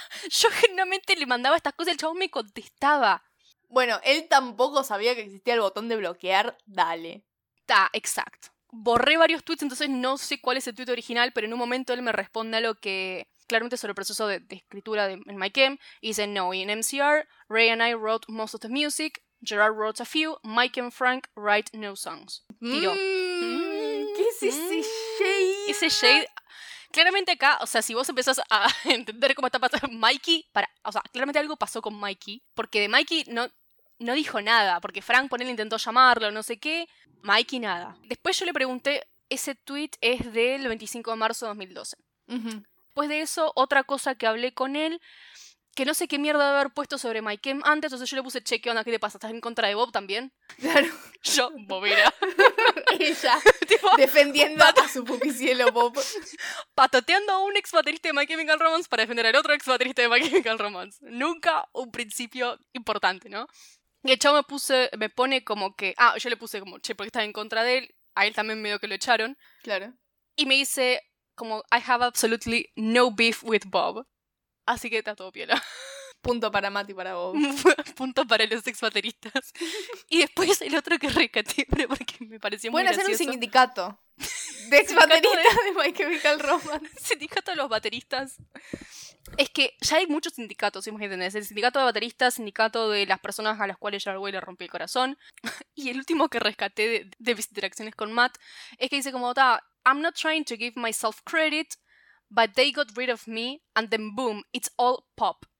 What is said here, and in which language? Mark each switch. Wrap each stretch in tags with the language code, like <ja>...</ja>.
<es>Yo genuinamente le mandaba estas cosas y el chabón me contestaba. Bueno, él tampoco sabía que existía el botón de bloquear. Dale. Ta, exacto. Borré varios tweets, entonces no sé cuál es el tweet original, pero en un momento él me responde a lo que... Claramente sobre el proceso de escritura en MyChem. Y dice, no, y en</es> <en>MCR, Ray and I wrote most of the music. Gerard wrote a few. Mike and Frank write no songs.</en> <es>Tiro. ¿Qué es ese shade? Ese shade. Claramente acá, o sea, si vos empezás a entender cómo está pasando Mikey, para, o sea, claramente algo pasó con Mikey. Porque de Mikey no dijo nada. Porque Frank por él intentó llamarlo, no sé qué. Mikey nada. Después yo le pregunté, ese tweet es del 25 de marzo de 2012. Después de eso, otra cosa que hablé con él, que no sé qué mierda de haber puesto sobre MyChem antes, entonces yo le puse cheque, onda, ¿qué te pasa? ¿Estás en contra de Bob también? Claro. Yo, bobera. Ella, tipo, defendiendo a su pupicielo, Bob. Patoteando a un ex baterista de My Chemical Romance para defender al otro ex baterista de My Chemical Romance. Nunca un principio importante, ¿no? Y el chavo me pone como que... Ah, yo le puse como, che, ¿por qué estás en contra de él? A él también medio que lo echaron. Claro. Y me dice...</es> <en>Como, I have absolutely no beef with Bob.</en> <es>Así que está todo piola. Punto para Matt y para Bob. Punto para los ex bateristas. Y después el otro que rescaté, pero porque me pareció muy gracioso. Pueden hacer un sindicato. De ex bateristas de My Chemical Romance. Sindicato de los bateristas. Es que ya hay muchos sindicatos, si me entendés. El sindicato de bateristas, sindicato de las personas a las cuales Gerard Way le rompió el corazón. Y el último que rescaté de mis interacciones con Matt es que dice como, está...</es> <en>I'm not trying to give myself credit, but they got rid of me, and then boom, it's all pop.</en>